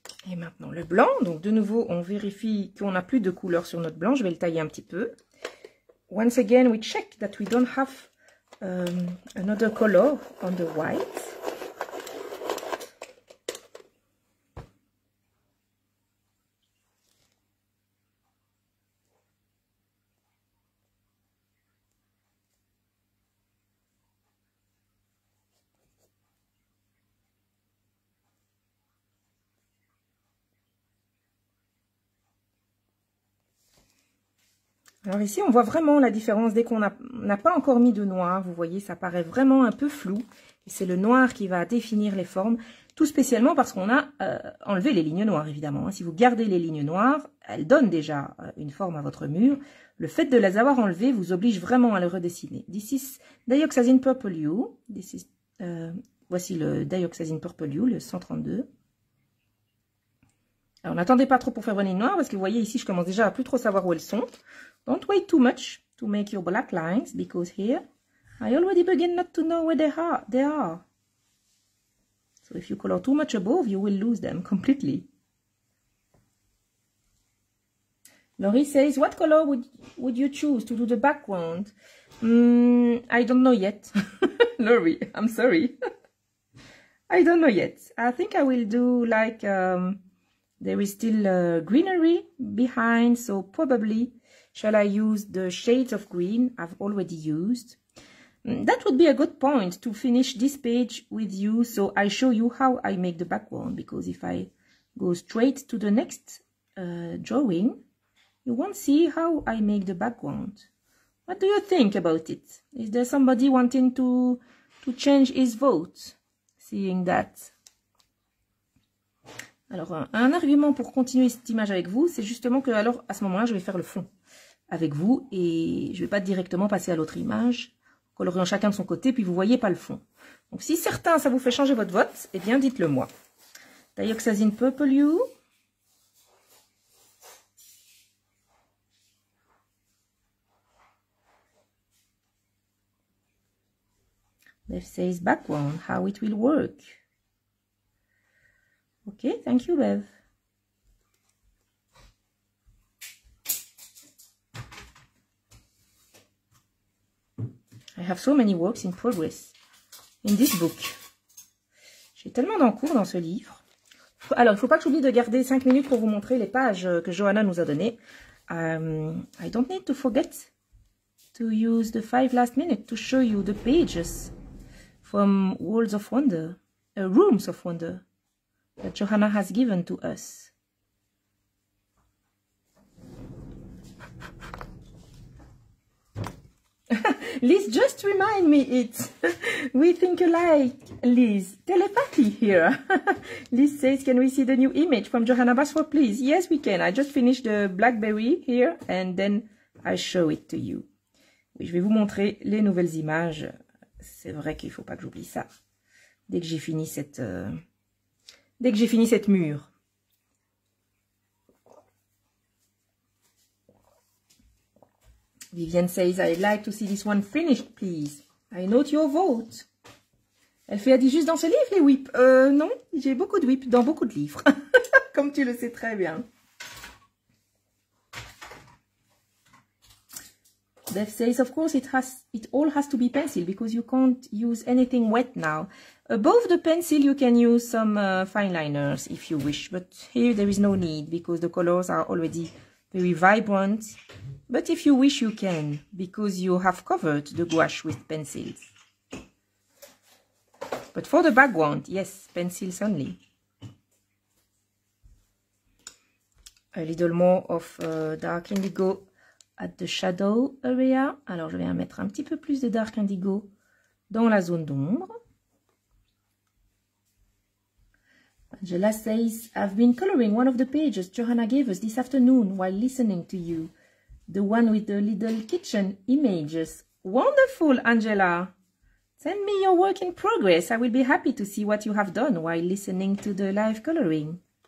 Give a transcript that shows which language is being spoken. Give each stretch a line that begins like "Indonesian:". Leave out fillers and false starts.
French: Et maintenant le blanc, donc de nouveau on vérifie qu'on n'a plus de couleur sur notre blanc, je vais le tailler un petit peu.
English: Once again we check that we don't have another color on the white.
French: Alors ici, on voit vraiment la différence dès qu'on n'a pas encore mis de noir. Vous voyez, ça paraît vraiment un peu flou. Et c'est le noir qui va définir les formes, tout spécialement parce qu'on a enlevé les lignes noires, évidemment. Si vous gardez les lignes noires, elles donnent déjà une forme à votre mur. Le fait de les avoir enlevées vous oblige vraiment à le redessiner.
English: This is Dioxazine Purple You. This is,
French: voici le Dioxazine Purple You, le 132. Alors n'attendez pas trop pour faire vos lignes noires parce que vous voyez ici, je commence déjà à plus trop savoir où elles sont.
English: Don't wait too much to make your black lines, because here, I already begin not to know where they are. So if you color too much above, you will lose them completely. Laurie says, what color would you choose to do the background? I don't know yet. Laurie, I'm sorry. I don't know yet. I think I will do like, there is still greenery behind, so probably... Shall I use the shades of green I've already used? That would be a good point to finish this page with you so I show you how I make the background, because if I go straight to the next drawing, you won't see how I make the background. What do you think about it? Is there somebody wanting to change his vote seeing that?
French: Alors, un argument pour continuer cette image avec vous, c'est justement que alors à ce moment-là, je vais faire le fond avec vous et je ne vais pas directement passer à l'autre image, colorant chacun de son côté, puis vous ne voyez pas le fond. Donc si certains, ça vous fait changer votre vote, eh bien dites-le moi.
English: Dioxazine Purple You. Bev says back one, how it will work. Okay, thank you, Bev. I have so many works in progress in this book.
French: J'ai tellement d'encours dans ce livre. Alors, il ne faut pas que j'oublie de garder 5 minutes pour vous montrer les pages que Johanna nous a données.
English: I don't need to forget to use the 5 last minutes to show you the pages from Worlds of Wonder, Rooms of Wonder, that Johanna has given to us. Liz, just remind me it. We think alike, Liz. Telepathy here. Liz says, can we see the new image from Johanna Basro, please? Yes, we can. I just finished the Blackberry here and then I show it to you.
French: Oui, je vais vous montrer les nouvelles images. C'est vrai qu'il ne faut pas que j'oublie ça. Dès que j'ai fini cette... dès que j'ai fini cette mur.
English: Vivienne says, I'd like to see this one finished, please. I note your vote.
French: Elle fait, elle dit juste dans ce livre, les whips. Non, j'ai beaucoup de whips dans beaucoup de livres. Comme tu le sais très bien.
English: Dev says, of course, it all has to be pencil because you can't use anything wet now. Above the pencil, you can use some fine liners if you wish. But here, there is no need because the colors are already very vibrant. But if you wish, you can because you have covered the gouache with pencils. But for the background, yes, pencils only. A little more of dark indigo at the shadow area.
French: Alors, je vais mettre un petit peu plus de dark indigo dans la zone d'ombre.
English: Angela says, I've been coloring one of the pages Johanna gave us this afternoon while listening to you. The one with the little kitchen images. Wonderful, Angela. Send me your work in progress. I will be happy to see what you have done while listening to the live coloring.